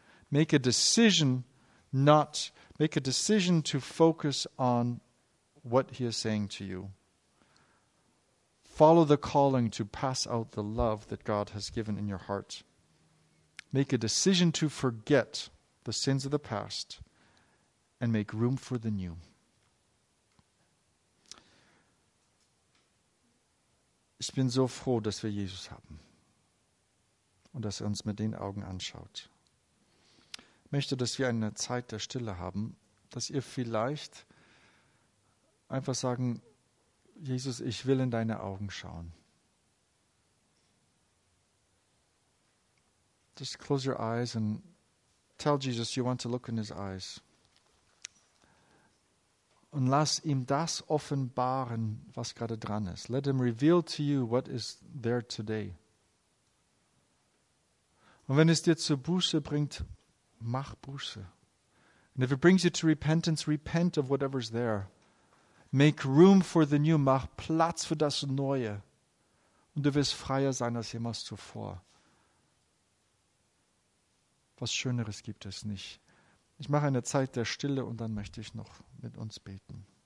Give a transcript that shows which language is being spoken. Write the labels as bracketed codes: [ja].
[en] Make a decision to focus on what he is saying to you. Follow the calling to pass out the love that God has given in your heart. Make a decision to forget the sins of the past and make room for the new. [de] Ich bin so froh, dass wir Jesus haben und dass er uns mit den Augen anschaut. Ich möchte, dass wir eine Zeit der Stille haben, dass ihr vielleicht einfach sagen, Jesus, ich will in deine Augen schauen. [en] Just close your eyes and tell Jesus you want to look in his eyes. [de] Und lass ihm das offenbaren, was gerade dran ist. [en] Let him reveal to you what is there today. [de] Und wenn es dir zur Buße bringt, mach Buße. [en] And if it brings you to repentance, repent of whatever's there. Make room for the new, [de] mach Platz für das Neue. Und du wirst freier sein als jemals zuvor. Was Schöneres gibt es nicht. Ich mache eine Zeit der Stille und dann möchte ich noch mit uns beten.